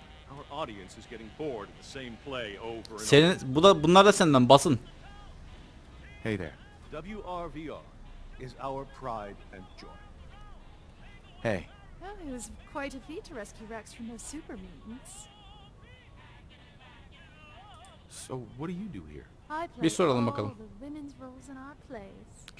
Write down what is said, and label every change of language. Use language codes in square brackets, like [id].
[en] Our audience is getting bored of the same play over and over. [tr] Senin bu da bunlar da senden basın. [en] Hey there. WRVR is our pride and joy. Hey. Well, it was quite a feat to rescue Rex from those super mutants. So what do you do here? [tr] Bir soralım bakalım. [en] Women's roles in our plays.